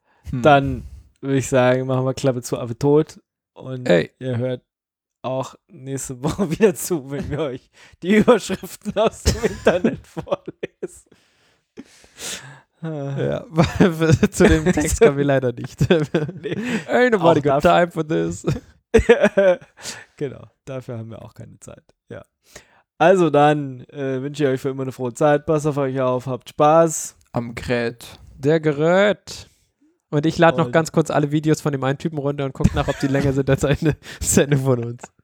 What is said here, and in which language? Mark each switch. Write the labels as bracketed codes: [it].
[de] Dann würde ich sagen, machen wir Klappe zu, Affe tot und ihr hört auch nächste Woche wieder zu, wenn wir euch die Überschriften aus dem Internet vorlesen. Ja, zu dem Text kommen wir leider nicht. [en] Ain't nobody got time for this. [de] Genau, dafür haben wir auch keine Zeit. Ja. Also dann wünsche ich euch für immer eine frohe Zeit. Passt auf euch auf, habt Spaß. Am Gerät. Der Gerät. Und ich lade noch ganz kurz alle Videos von dem einen Typen runter und gucke nach, ob die länger sind als eine Sendung von uns.